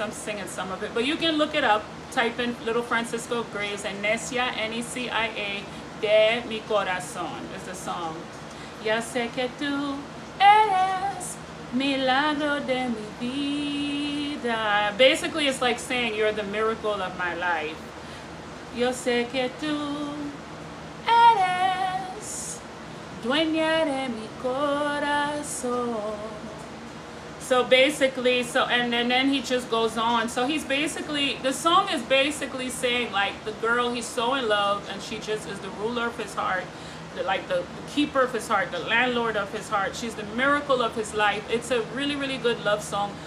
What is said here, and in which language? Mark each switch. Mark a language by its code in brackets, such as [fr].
[en] I'm singing some of it, but you can look it up. Type in Little Francisco Graves and Necia, N-E-C-I-A, De Mi Corazón is the song. [es] Ya sé que tú eres milagro de mi vida. [en] Basically, it's like saying you're the miracle of my life. [es] Yo sé que tú eres dueña de mi corazón. [en] So basically, so and then he just goes on. So he's basically, the song is basically saying like the girl he's so in love and she just is the ruler of his heart, the keeper of his heart, the landlord of his heart. She's the miracle of his life. It's a really, really good love song.